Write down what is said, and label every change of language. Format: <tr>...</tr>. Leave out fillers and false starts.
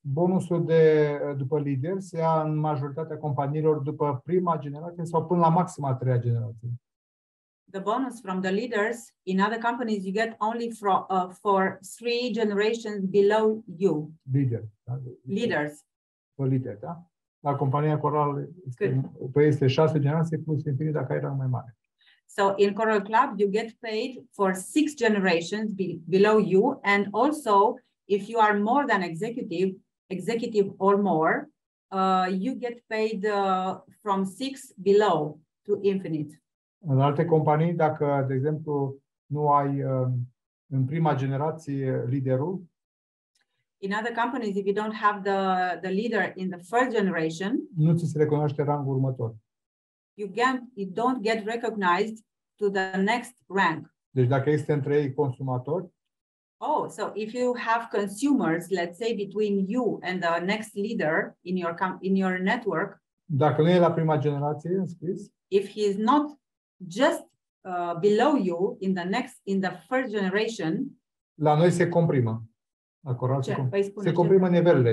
<ro>Bonusul de după lider se ia în majoritatea companiilor după prima generație sau până la maxim a treia generație.</ro> <en>The bonus from the leaders in other companies you get only for three generations below you. Leader. Da? Leaders. For leader, da?</en> <ro>La compania Coral este șase generații plus infinit dacă era mai mare.</ro> <en>So in Coral Club you get paid for six generations below you, and also if you are more than executive or more, you get paid from six below to infinite.</en> <ro>În alte companii, dacă, de exemplu, nu ai în prima generație liderul.</ro> <en>In other companies, if you don't have the leader in the first generation,</en> <ro>nu ți se recunoaște rangul următor.</ro> <en>You don't get recognized to the next rank.</en> <ro>Deci dacă este între ei consumator.</ro> <en>Oh, so if you have consumers, let's say between you and the next leader in your network.</en> <ro>Dacă nu e la prima generație, înscris.</ro> <en>If he is not just below you in the first generation.</en> <ro>La noi se comprimă. La Coral se comprimă nivelele.</ro>